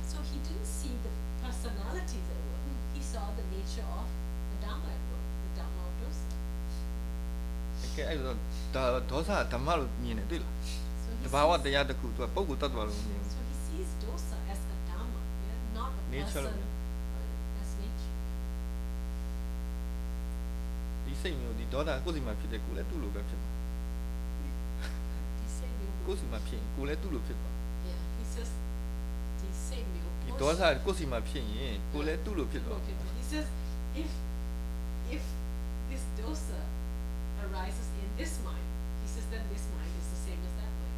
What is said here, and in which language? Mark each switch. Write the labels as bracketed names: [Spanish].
[English] So he didn't see the personality at work. He saw the nature of the Dharma at work, the Dharma of dosa. Okay, so the dosa Dharma lo mean it, right? [Burmese] ဒါဘာဝတရားတခုသူကပုံကူတတ်သွားလို့မြင်တယ်။ [English] So he sees dosa as a dharma, not a person. Nature. That's nature. [Burmese] ဒီစိတ်မျိုးဒီဒေါသကိုယ်စီမှာဖြစ်တဲ့ကိုယ်လည်းသူ့လိုပဲဖြစ်မှာ။ဒီစိတ်မျိုး ကိုယ်စီမှာဖြစ်ရင်ကိုယ်လည်းသူ့လိုဖြစ်မှာ။ [English] Yeah, he says [Burmese] ဒီစိတ်မျိုး ဒီဒေါသကိုယ်စီမှာဖြစ်ရင်ကိုယ်လည်းသူ့လိုဖြစ်မှာ [English] ။ He says if this dosa arises in this mind, he says then this mind is the same as that.